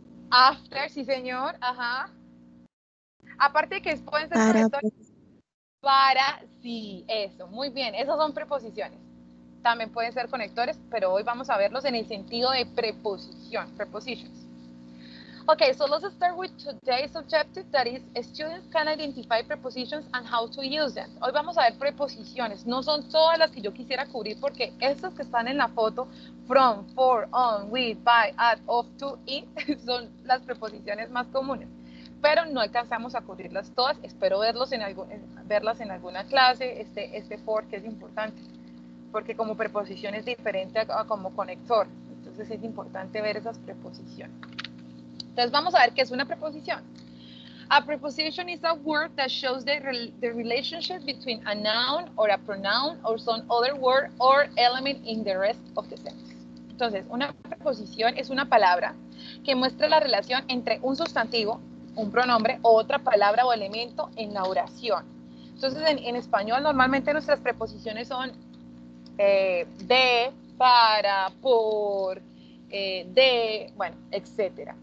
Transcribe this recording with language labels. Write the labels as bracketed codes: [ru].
[es] After, sí, señor. Ajá. Aparte que pueden ser preposiciones. Para, sí, eso. Muy bien, esas son preposiciones. También pueden ser conectores, pero hoy vamos a verlos en el sentido de preposición, prepositions. [en] Okay, so let's start with today's objective, that is, students can identify prepositions and how to use them. [es] Hoy vamos a ver preposiciones, no son todas las que yo quisiera cubrir, porque estas que están en la foto, [en] from, for, on, with, by, at, of, to, in, [es] son las preposiciones más comunes. Pero no alcanzamos a cubrirlas todas, espero verlos en verlas en alguna clase, este for que es importante. Porque como preposición es diferente a como conector, entonces es importante ver esas preposiciones. Entonces vamos a ver qué es una preposición. [en] A preposition is a word that shows the relationship between a noun or a pronoun or some other word or element in the rest of the sentence. [es] Entonces, una preposición es una palabra que muestra la relación entre un sustantivo, un pronombre o otra palabra o elemento en la oración. Entonces, en español normalmente nuestras preposiciones son de, para, por, de, bueno, etcétera.